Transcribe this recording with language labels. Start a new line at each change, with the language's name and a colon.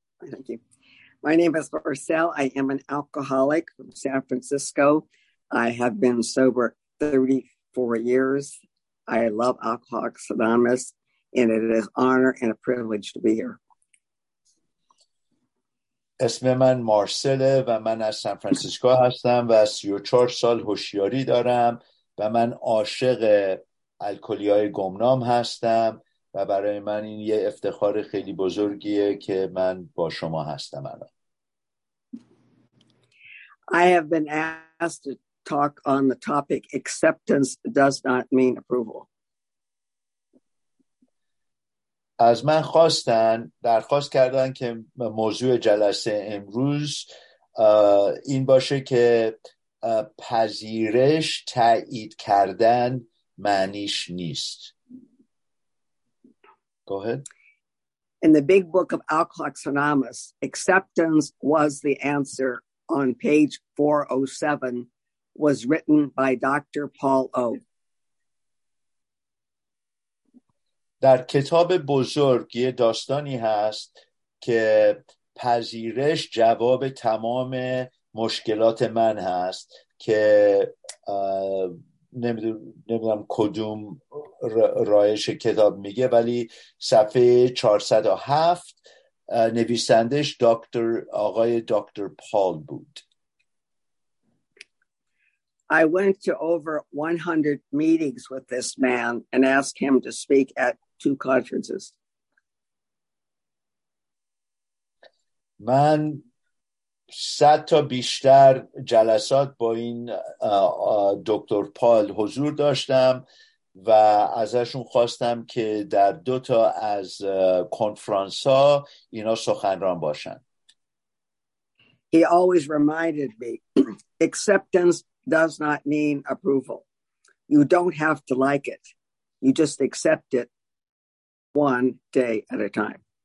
English: Thank you. My name is Marcel, I am an alcoholic from San Francisco. I have been sober 34 years. I love Alcoholics Anonymous, and it is an honor and a privilege to be here.
Persian: اسم من مارسله و من از سان فرانسیسکو هستم و 34 سال هوشیاری دارم و من عاشق الکلی‌های گمنام هستم و برای من این یه افتخار خیلی بزرگیه که من با شما هستم الان.
English: I have been asked talk on the topic acceptance does not mean approval.
Persian: از من خواستن درخواست کردن که موضوع جلسه امروز این باشه که پذیرش تایید کردن معنیش نیست.
English: Go ahead. In the big book of Alcoholics Anonymous, acceptance was the answer on page 407. Was written by Dr. Paul O.
Persian: در کتاب بزرگ یه داستانی هست که پذیرش جواب تمام مشکلات من هست که نمیدونم کدوم رایش کتاب میگه، ولی صفحه 407 نویسندش آقای دکتر پال بود.
English: I went to over 100 meetings with this man and asked him to speak at two conferences.
Persian: من 100 تا بیشتر جلسات با این دکتر پال حضور داشتم و ازشون خواستم که در دو تا از کنفرانس ها اینا سخنران باشن.
English: He always reminded me acceptance does not mean approval. You don't have to like it. You just accept it one day at a time.